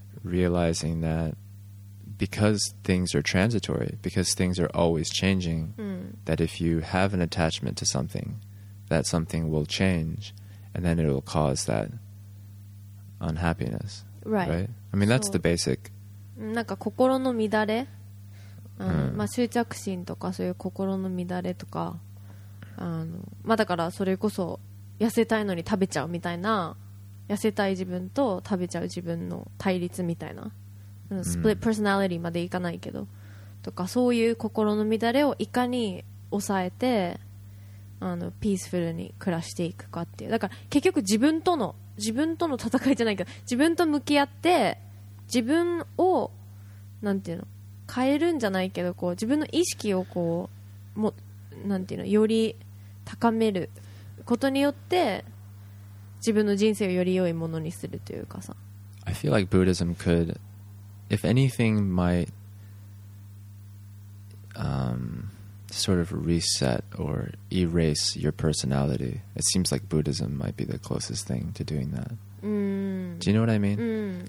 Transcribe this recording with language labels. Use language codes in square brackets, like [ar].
[en] realizing that because things are transitory, because things are always changing, mm. that if you have an attachment to something, that something will change and then it'll cause that unhappinessRight. right. I mean, that's the basic. [ja] なんか心の乱れ、あの、まあ執着心とかそういう心の乱れとか、あの、まあだからそれこそ痩せたいのに食べちゃうみたいな、痩せたい自分と食べちゃう自分の対立みたいな、スプリットパーソナリティまでいかないけど、とかそういう心の乱れをいかに抑えてピースフルに暮らしていくかっていう、だから結局自分との戦いじゃないけど、自分と向き合って自分をなんていうの変えるんじゃないけど、こう自分の意識をこうもなんていうのより高めることによって自分の人生をより良いものにするというかさ。 [en] I feel like Buddhism could, if anything, might sort of reset or erase your personality. It seems like Buddhism might be the closest thing to doing that. Do you know what I mean?